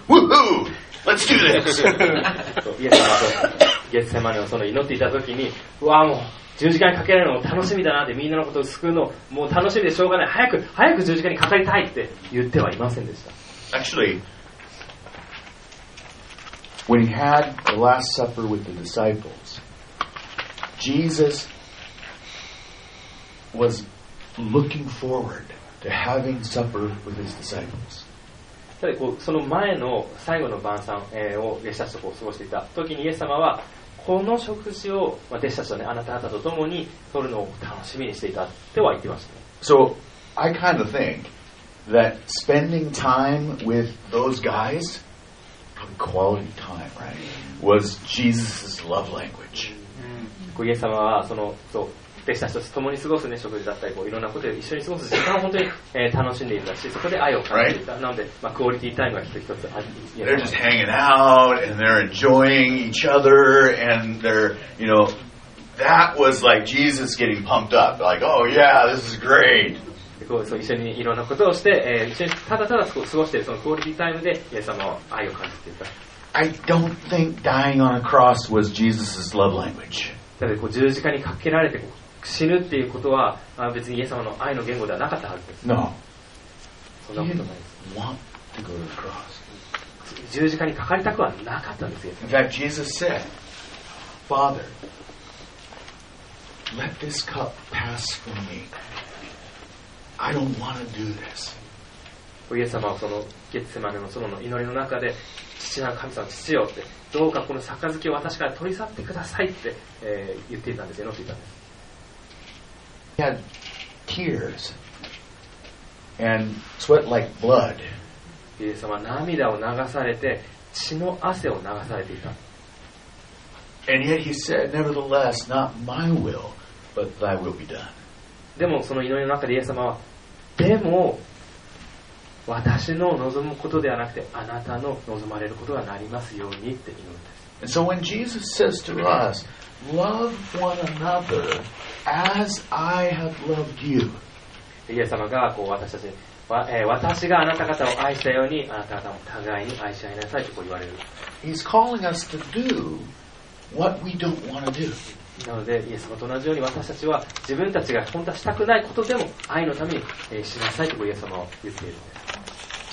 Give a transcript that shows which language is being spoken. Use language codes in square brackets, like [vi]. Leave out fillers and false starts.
[en] Woohoo! Let's do this! [ja] イエス様とゲッセマネを祈っていたときに、うわもう十字架にかけられるのも楽しみだなってみんなのことを救うのもう楽しみでしょうがない。早く十字架にかかりたいって言ってはいませんでした。 [en] Actually, when he had the last supper with the disciples, Jesus was looking forward. Having supper with his disciples. [ja] ただこうその前の最後の晩餐を弟子たちとこう過ごしていた時にイエス様はこの食事を弟子たちとねあなた方と共に取るのを楽しみにしていたっては言ってましたね。 [en] So I kind of think that spending time with those guys, quality time, right, was Jesus' love language. [ja] こうイエス様はそのそう。弟子たちと共に過ごす、ね、食事だったりこういろんなことで一緒に過ごす時間を本当に、楽しんでいるらしいそこで愛を感じていた、 [en] right? [ja] なので、まあ、クオリティタイムが一つ一つあり [en] They're just hanging out and they're enjoying each other and they're, you know, that was like Jesus getting pumped up like, oh yeah, this is great [ja] こうそう一緒にいろんなことをして、一緒にただただ過ごしているそのクオリティタイムでイエス様は愛を感じていた [en] I don't think dying on a cross was Jesus' love language. [ja] だってこう十字架にかけられて死ぬっていうことは別にイエス様の愛の言語ではなかったはずです。 [en] No. [ja] そんなことないです。 [en] He didn't want to go to the cross. [ja] 十字架にかかりたくはなかったんですよ。 [en] In fact, Jesus said, Father, let this cup pass from me. I don't want to do this. [ja] イエス様はそのゲッセマネの園の祈りの中で父なる神様父よってどうかこの杯を私から取り去ってくださいって、言っていたんですよ祈っていたんです。 [en] He had tears and sweat like blood. [ja] イエス様は涙を流されて血の汗を流されていた。 [en] And yet he said, nevertheless, not my will, but thy will be done. [ja] でもその祈りの中でイエス様はでも私の望むことではなくてあなたの望まれることがなりますようにって祈るんです。 [en] And so when Jesus says to us, love one another as I have loved you. [ja] イエス様がこう私たちに、私があなた方を愛したようにあなた方も互いに愛し合いなさいとこう言われる。 [en] He's calling us to do what we don't want to do. [ja] なのでイエス様と同じように私たちは自分たちが本当はしたくないことでも愛のためにしなさいとこうイエス様は言っているんです。